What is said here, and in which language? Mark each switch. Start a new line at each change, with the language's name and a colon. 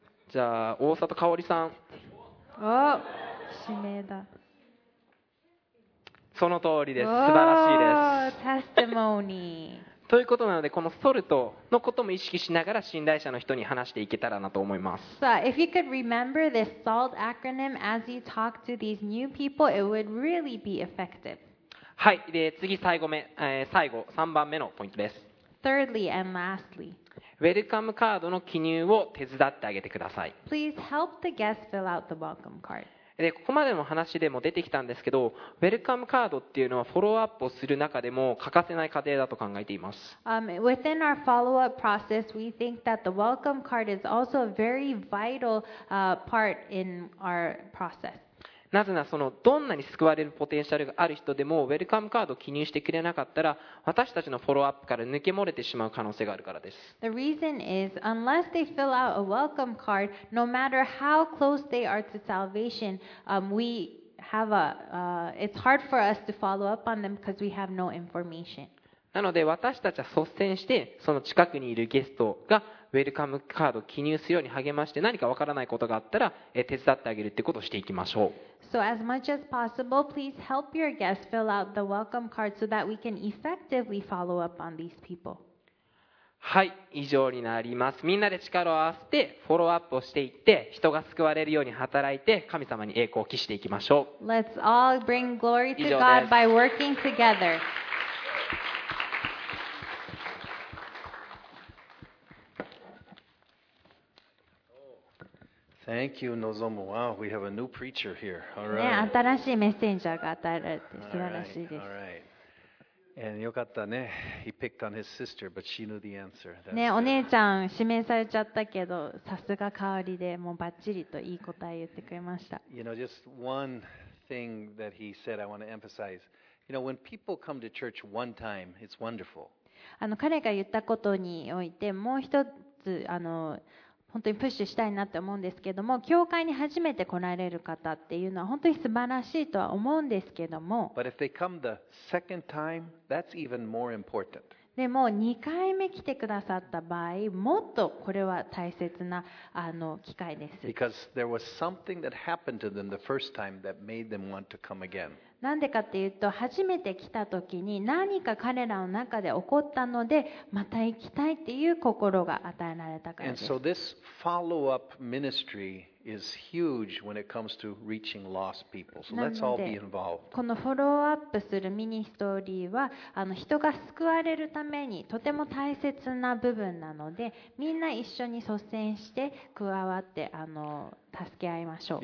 Japanese: じゃあ大里香織さん、お、指名だ。その通りです、素晴らしいです。
English: Testimony。
Japanese: ということなので、このソルトのことも意識しながら信頼者の人に話していけたらなと思います。
English: So if you could remember this SALT acronym as you talk to these new people, it would really be effective。
Japanese: はい、で次最後目、最後3番目のポイントです。
English: Thirdly and lastly、
Japanese: ウェルカムカードの記入を手伝ってあげてください。
English: Please help the guest fill out the welcome card。
Japanese: でここまでの話でも出てきたんですけど、ウェルカムカードっていうのはフォローアップをする中でも欠かせない過程だと考えています。
English: Within our follow-up process, we think that the welcome card is also a very vital part in our process。
Japanese: なぜならそのどんなに救われるポテンシャルがある人でもウェルカムカードを記入してくれなかったら、私たちのフォローアップから抜け漏れてしまう可能性があるからです。
English: The reason is, unless they fill out a welcome card, no matter how close they are to salvation, we have a, it's hard for us to follow up on them because we have no information.
Japanese: なので私たちは率先してその近くにいるゲストがウェルカムカードを記入するように励まして、何かわからないことがあったら手伝ってあげるってことをしていきましょう。
English: So as much as possible, please help your guests fill out the welcome card so that we can effectively follow up on these people.
Japanese: はい、以上になります。みんなで力を合わせてフォローアップをしていって、人が救われるように働いて、神様に栄光を期していきましょう。
English: Let's all bring glory to God by working together. Thank you, Nozomu. Wow, we have a new preacher here. All right.
Japanese: ね、新しいメッセンジャーが与えられて素晴らしいです。 And よかったね。
English: He picked on his sister, but she knew the answer.
Japanese: ね、お姉ちゃん指名されちゃったけど、さすが代わりでもうバッチリといい答え言ってくれました。
English: You know, just one thing that he said, I want to emphasize. You know, when people come to church one time, it's wonderful.
Japanese: 彼が言ったことにおいてもう一つ本当にプッシュしたいなって思うんですけども、教会に初めて来られる方っていうのは本当に素晴らしいとは思うんですけども。
English: But if they come the second time, that's even more important.
Japanese: でも2回目来てくださった場合、もっとこれは大切な機会です。
English: Because there was something that happened to them the first time that made them want to come again.
Japanese: なんでかっていうと、初めて来た時に何か彼らの中で起こったので、また行きたいっていう心が与えられたからです。
English: And so this follow-up ministry is huge when it comes to reaching lost people. So let's all be involved.
Japanese: このフォローアップするミニストーリーは人が救われるためにとても大切な部分なので、みんな一緒に率先して加わって助け合いましょう。